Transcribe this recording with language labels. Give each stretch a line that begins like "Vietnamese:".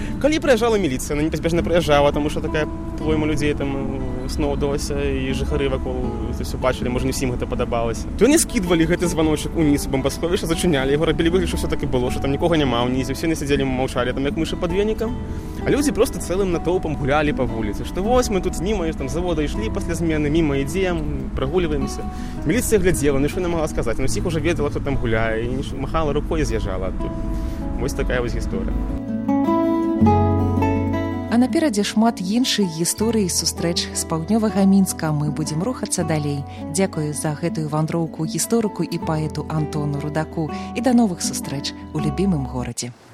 Belarusian: Калі прыязджала міліцыя, яна непазбежна прыязджала, таму што такая плойма людзей там сноўдалася, і жыхары вакол це ўсё бачылі, можа, не ўсім гэта падабалася. То яны скідвалі гэты званочак уніз у бомбасховішча, зачыняли яго, рабілі выгляд, што ўсё так і было, што там нікога няма ўнізе, усе не сядзелі, маўчалі там, як мышы пад венікам.
Russian: А люди просто целым натопом гуляли по улице, что вот мы тут мимо, там завода и шли после смены, мимо идем, прогуливаемся. Милиция глядела, ничего не могла сказать, но всех уже ведала, кто там гуляет, и махала рукой и съезжала оттуда. Вот такая вот история.
Belarusian: А напераде шмат іншых гісторый і сустрэч з паўднёвага Мінска мы будзем рухацца далей. Дзякую за гэтую вандроўку гісторыку і паэту Антону Рудаку і да новых сустрэч у любімым горадзе.